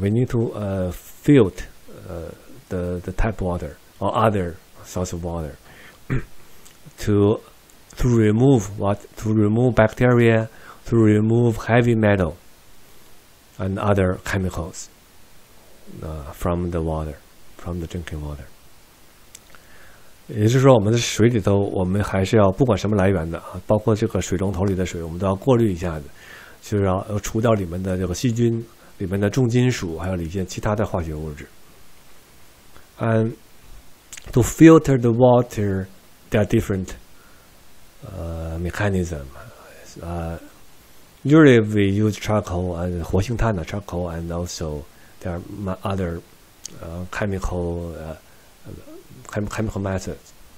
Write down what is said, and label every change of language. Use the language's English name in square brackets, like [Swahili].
[English] We need to filter the tap water or other source of water to remove bacteria, to remove heavy metal and other chemicals from the water, from the drinking water. [Chinese] 也就是说，我们的水里头，我们还是要不管什么来源的啊，包括这个水龙头里的水，我们都要过滤一下子。就是要除掉里面的这个细菌，里面的重金属，还有一些其他的化学物质。 [English] And to filter the water, there are different mechanism. Usually we use charcoal and 活性炭的 charcoal, and also there are other chemical methods.